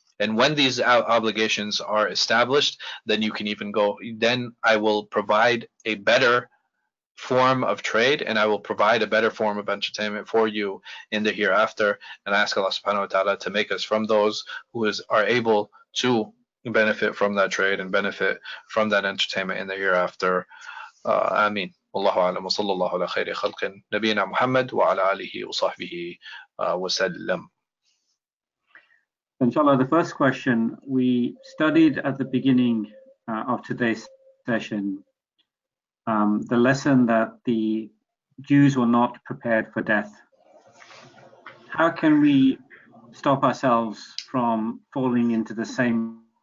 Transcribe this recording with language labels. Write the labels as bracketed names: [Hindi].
[English] And when these obligations are established, then you can even go, then I will provide a better form of trade and I will provide a better form of entertainment for you in the hereafter. And I ask Allah subhanahu wa ta'ala to make us from those who are able to benefit from that trade and benefit from that entertainment in the hereafter. [Arabic] آمين. والله أعلم، وصلى الله على خير خلق نبينا محمد وعلى آله وصحبه وسلم. [English] Inshallah, the first question we studied at the beginning of today's session, the lesson that the Jews were not prepared for death. How can we stop ourselves from falling into the same?